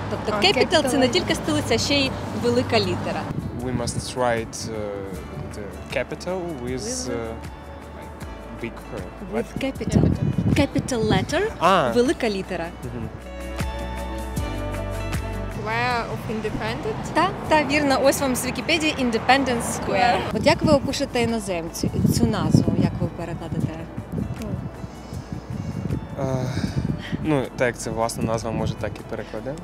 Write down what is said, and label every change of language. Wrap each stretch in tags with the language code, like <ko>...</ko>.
<uk>Тобто capital – це не тільки столиця, а ще й велика літера.</uk> <en>We must write the capital with big letter. With capital. Capital letter,</en> <uk>велика літера.</uk> <en>Square of Independence?</en> <uk>Так, вірно. Ось вам з Вікіпедії Independence Square. От як ви опишете іноземцю цю назву? Як ви перекладете? Ну, так, це власна назва, може, так і перекладемо.</uk>